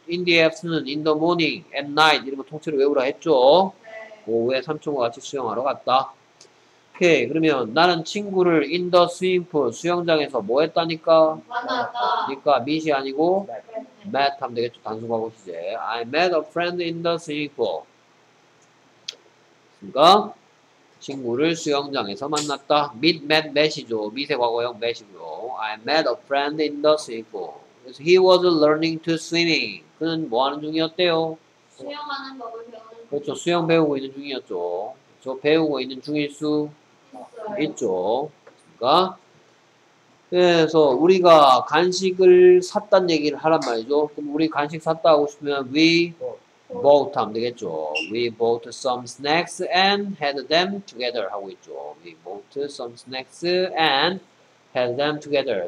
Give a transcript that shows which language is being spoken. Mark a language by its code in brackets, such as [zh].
[en] In the afternoon, in the morning, at night. [ko] 이런 거 통째로 외우라 했죠. 네. 오후에 삼촌과 같이 수영하러 갔다. 오케이. 그러면 나는 친구를 [en] in the swimming pool, [ko] 수영장에서 뭐 했다니까? 만났다. 그러니까 meet이 아니고 네. met 하면 되겠죠. 단순하고 이제. [en] I met a friend in the swimming pool. [ko] 그러니까 친구를 수영장에서 만났다. Meet met 매시죠. 미세 과거형 매시고요. [en] I met a friend in the swimming pool. So he was learning to swimming. [ko] 그는 뭐 하는 중이었대요? 수영하는 법을 배우는 중. 그렇죠. 수영 배우고 있는 중이었죠. 저 배우고 있는 중일 수 있어요. 있죠. 그러니까 그래서 우리가 간식을 샀단 얘기를 하란 말이죠. 그럼 우리 간식 샀다 하고 싶으면 [en] we bought [ko] 하면 되겠죠. [en] We bought some snacks and had them together [ko] 하고 있죠. [en] We bought some snacks and had them together.